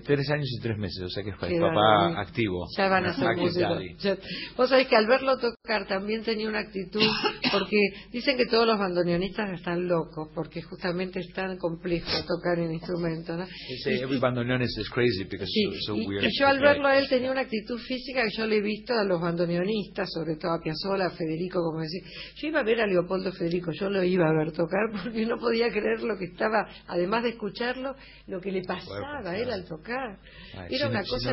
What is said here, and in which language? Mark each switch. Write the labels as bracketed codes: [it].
[es] Tres años y tres meses, o sea que es para el papá activo. Ya van a ser músicos. Vos sabés que al verlo tocar también tenía una actitud, porque dicen que todos los bandoneonistas están locos, porque justamente es tan complejo tocar un instrumento, ¿no? [en] Every bandoneon is crazy because it's so weird. [es] Y yo al verlo a él tenía una actitud física que yo le he visto a los bandoneonistas, sobre todo a Piazzolla, a Federico, como decir, yo iba a ver a Leopoldo Federico, yo lo iba a ver tocar porque no podía creer lo que estaba, además de escucharlo, lo que le pasaba a él al tocar. Era una cosa